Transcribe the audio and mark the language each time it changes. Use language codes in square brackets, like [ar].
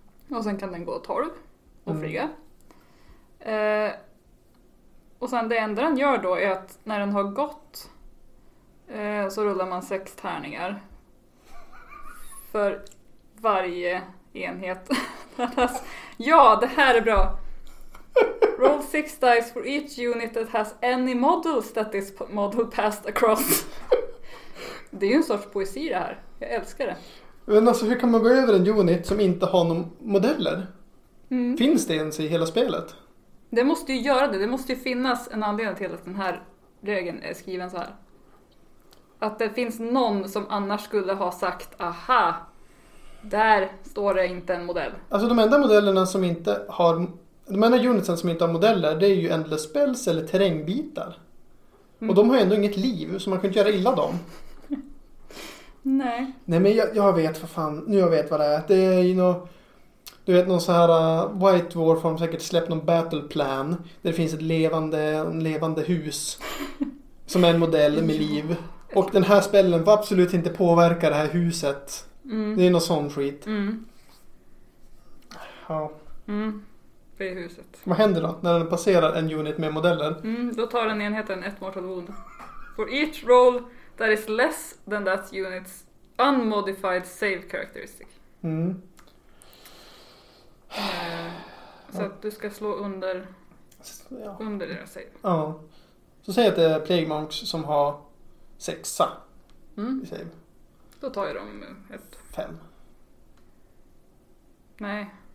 [sv] Och sen kan den gå 12 och flyga. Och sen det enda den gör då är att när den har gått så rullar man 6 tärningar för varje enhet. Ja, det här är bra. [en] Roll 6 dice for each unit that has any models that this model passed across. [sv] Det är ju en sorts poesi det här. Jag älskar det. Men alltså, hur kan man gå över en unit som inte har någon modeller? Mm. Finns det ens i hela spelet? Det måste ju göra det. Det måste ju finnas en anledning till att den här regeln är skriven så här. Att det finns någon som annars skulle ha sagt, aha... Där står det inte en modell. Alltså de enda modellerna som inte har... De enda unitsen som inte har modeller, det är ju Endless Spells eller terrängbitar. Och de har ju ändå inget liv, så man kan inte göra illa dem. Nej. Nej, men jag vet vad fan. Nu jag vet vad det är. Det är ju nog... Du vet, någon så här White Dwarf har säkert släppt någon battle plan där det finns ett levande hus som är en modell med liv. Och den här spellen får absolut inte påverka det här huset. Mm. Det är någon sån skit. Mm. Ja. Mm. Det är huset. Vad händer då när den passerar en unit med modeller? Mm, då tar den enheten ett mortal wound. [en] For each roll that is less than that unit's unmodified save characteristic. [sv] Mm. Så att du ska slå under under det jag säger. Ja. Så säg att det är Plague Monks som har sexa. Mm. Save. Då tar jag dem ett. Fem. Nej.